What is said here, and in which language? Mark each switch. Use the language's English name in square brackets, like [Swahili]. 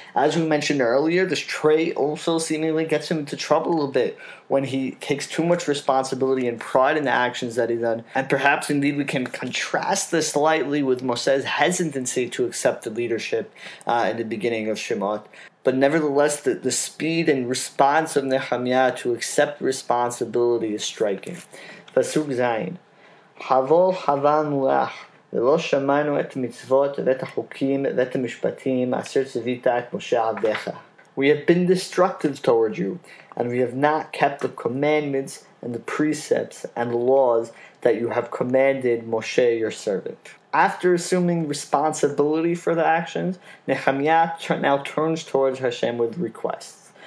[English] As we mentioned earlier, this trait also seemingly gets him into trouble a little bit when he takes too much responsibility and pride in the actions that he done. And perhaps indeed we can contrast this slightly with Moshe's hesitancy to accept the leadership in the beginning of Shemot. But nevertheless, the speed and response of Nehemiah to accept responsibility is striking. Pasuk Zayin. [Hebrew] Havol havan lach, ולא שמענו את המצוות ואת החוקים ואת המשפטים אשר ציווית את משה עבדך. [English] We have been destructive towards you, and we have not kept the commandments and the precepts and the laws that you have commanded Moshe, your servant. After assuming responsibility for the actions, Nehemiah now turns towards Hashem with requests.